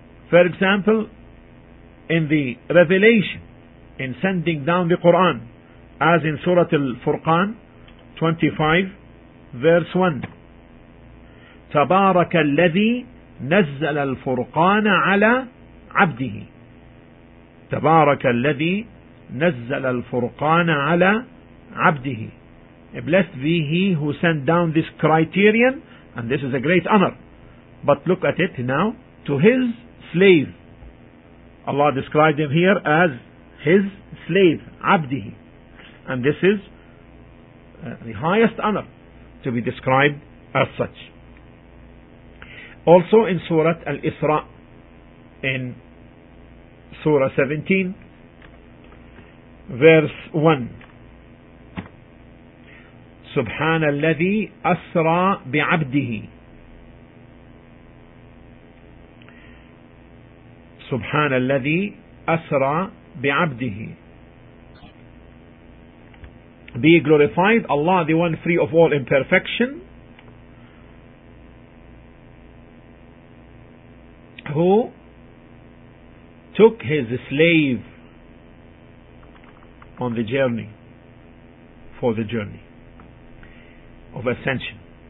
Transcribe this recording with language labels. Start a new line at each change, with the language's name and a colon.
English: For example, in the revelation, in sending down the Quran, as in Surah Al-Furqan 25, verse 1.
Arabic: Tabaraka alladhi نزل الفرقان على عبده تبارك الذي نزل الفرقان على عبده.
English: Blessed be he who sent down this criterion, and this is a great honor, but look at it now, to his slave. Allah described him here as his slave, عبده, and this is the highest honor to be described as such. Also in Surah Al-Isra, in Surah 17, verse 1,
Arabic: سبحان الذي أسرى بعبده
English: سبحان الذي أسرى بعبده. Be glorified, Allah, the one free of all imperfection, who took his slave on the journey, for the journey of ascension.